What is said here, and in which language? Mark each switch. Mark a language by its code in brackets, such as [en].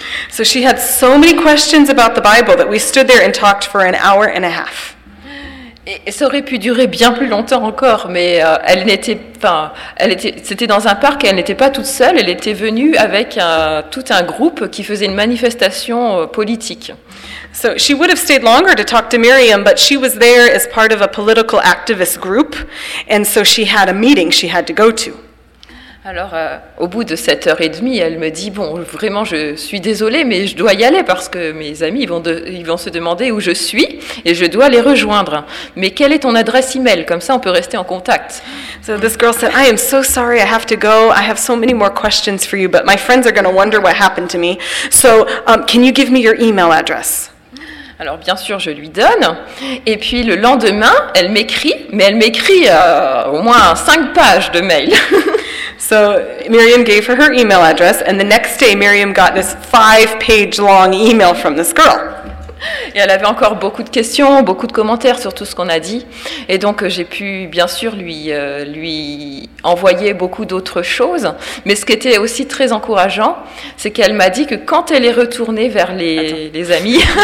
[en] So she had so many questions about the Bible that we stood there and talked for an hour and a half. [fr] Et ça aurait pu durer bien plus longtemps encore, mais c'était dans un parc et elle n'était pas toute seule, elle était venue avec tout un groupe qui faisait une manifestation politique. [en] So she would have stayed longer to talk to Miriam, but she was there as part of a political activist group, and so she had a meeting she had to go to. [fr] Alors, au bout de 7h30, elle me dit, bon, vraiment, je suis désolée, mais je dois y aller parce que mes amis, ils vont se demander où je suis et je dois les rejoindre. Mais quelle est ton adresse email? Comme ça, on peut rester en contact. [en] So this girl said, I am so sorry, I have to go. I have so many more questions for you, but my friends are going to wonder what happened to me. So, can you give me your email address? [fr] Alors bien sûr, je lui donne. Et puis le lendemain, elle m'écrit, mais elle m'écrit au moins 5 pages de mail. [en] So Miriam gave her email address, and the next day Miriam got this 5-page-long email from this girl. [fr] Et elle avait encore beaucoup de questions, beaucoup de commentaires sur tout ce qu'on a dit. Et donc j'ai pu bien sûr lui envoyer beaucoup d'autres choses. Mais ce qui était aussi très encourageant, c'est qu'elle m'a dit que quand elle est retournée vers les amis...